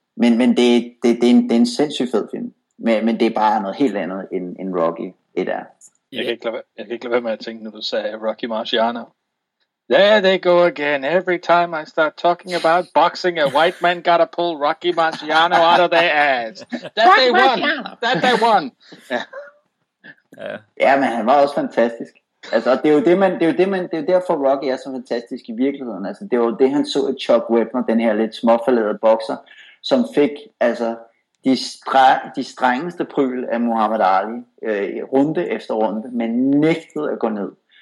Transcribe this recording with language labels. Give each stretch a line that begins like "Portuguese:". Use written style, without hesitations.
Danish: Men det er en sindssygt fed film, men det er bare noget helt andet, end Rocky 1 er. Jeg kan ikke lade være med at tænke, når du sagde Rocky Marciano.
English: There they go again. Every time I start talking about boxing, a white man gotta pull Rocky Marciano out of their ass. That they won.
Danish: Ja, men han var også fantastisk. Altså, det er jo derfor Rocky er så fantastisk i virkeligheden. Altså, det var det han så i Chuck Webner, den her lidt småforladede bokser, som fik altså de strengeste pryl af Muhammad Ali runde efter runde, men nægtede at gå ned.